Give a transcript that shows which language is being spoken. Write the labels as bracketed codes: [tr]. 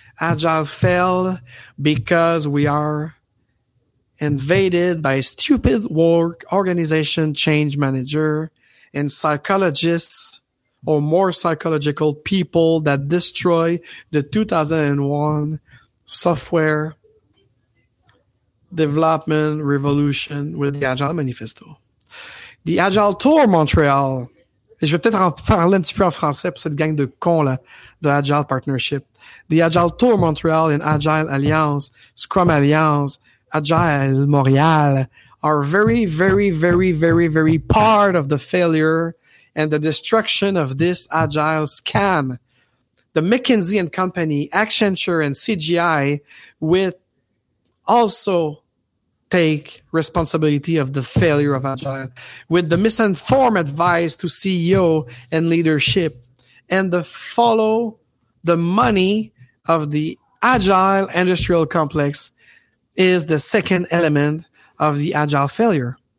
[en] Agile fell because we are invaded by stupid work organization change manager and psychologists, or more psychological people, that destroy the 2001 software development revolution with the Agile Manifesto. The Agile Tour Montreal. [fr] Et je vais peut-être en parler un petit peu en français pour cette gang de cons, là, de Agile Partnership. [en] The Agile Tour Montreal and Agile Alliance, Scrum Alliance, Agile Montreal are very, very, very, very, very part of the failure and the destruction of this agile scam. The McKinsey and Company, Accenture and CGI with also take responsibility of the failure of agile, with the misinformed advice to CEO and leadership, and the follow the money of the agile industrial complex is the second element of the agile failure.